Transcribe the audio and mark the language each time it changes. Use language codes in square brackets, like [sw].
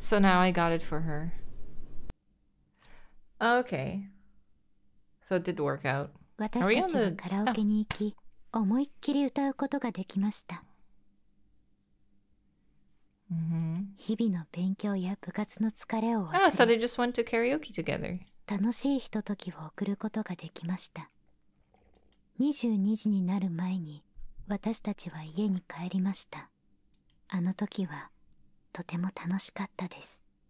[en] So now I got it for her. Okay. So it did work out. [ja] 私たちはカラオケに行き、思いっきり歌うことができました。 Mm-hmm. 日々の勉強や部活の疲れを忘れ。 [en] Oh, so they just went to karaoke together. [ja] 楽しいひとときを送ることができました。22時になる前に私たちは家に帰りました。あの時はとても楽しかったです。